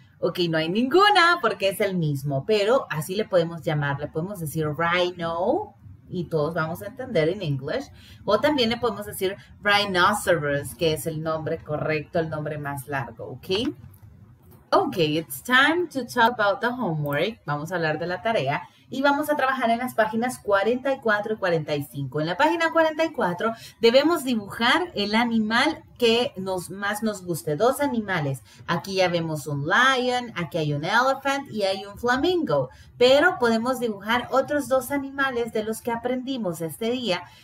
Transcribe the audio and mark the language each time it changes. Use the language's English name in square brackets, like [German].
[Spanish] Ok, no hay ninguna porque es el mismo, pero así le podemos llamar. Le podemos decir rhino y todos vamos a entender en inglés. O también le podemos decir rhinoceros, que es el nombre correcto, el nombre más largo, ¿ok? [English] Ok, it's time to talk about the homework. [Spanish] Vamos a hablar de la tarea. Y vamos a trabajar en las páginas 44 y 45. En la página 44 debemos dibujar el animal que más nos guste. Dos animales. Aquí ya vemos un lion, aquí hay un elephant y hay un flamingo. Pero podemos dibujar otros dos animales de los que aprendimos este día.